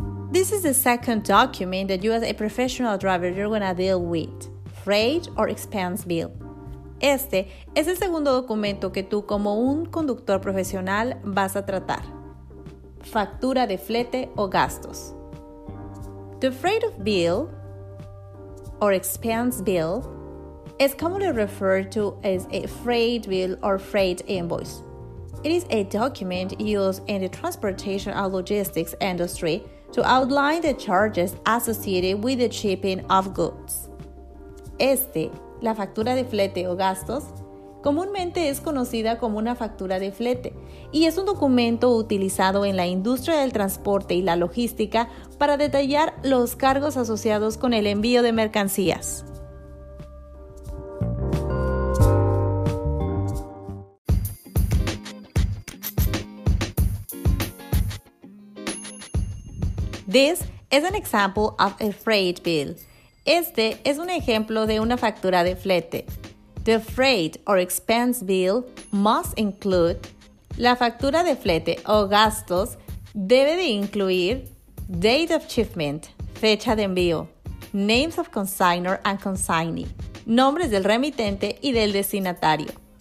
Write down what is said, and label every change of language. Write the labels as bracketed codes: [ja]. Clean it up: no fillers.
[en] This is the second document that you as a professional driver you're going to deal with. Freight or expense bill. [es] Este es el segundo documento que tú como un conductor profesional vas a tratar. Factura de flete o gastos. [en] The freight of bill or expense bill is commonly referred to as a freight bill or freight invoice. It is a document used in the transportation and logistics industry to outline the charges associated with the shipping of goods. [es] Este, la factura de flete o gastos, comúnmente es conocida como una factura de flete y es un documento utilizado en la industria del transporte y la logística para detallar los cargos asociados con el envío de mercancías. [en] This is an example of a freight bill. [es] Este es un ejemplo de una factura de flete. [en] The freight or expense bill must include. [es] La factura de flete o gastos debe de incluir [en] date of shipment, [es] fecha de envío, [en] names of consignor and consignee, [es] nombres del remitente y del destinatario,